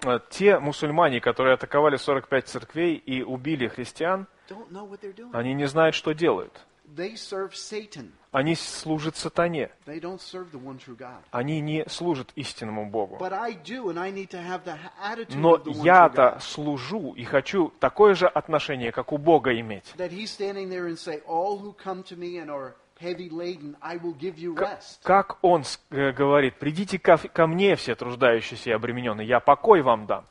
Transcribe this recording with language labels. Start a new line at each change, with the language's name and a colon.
Russian: Те мусульмане, которые атаковали 45 церквей и убили христиан, они не знают, что делают.
English: They serve Satan.
Russian: Они служат сатане.
English: They don't serve the one true God.
Russian: Они не служат истинному Богу.
English: But I do, and I need to have the attitude of the one true God.
Russian: Но я-то служу и хочу такое же отношение, как у Бога иметь.
English: That he's standing there and say, all who come to me and are heavy laden, I will give you rest.
Russian: Как он говорит, придите ко мне все труждающиеся и обремененные, я покой вам дам.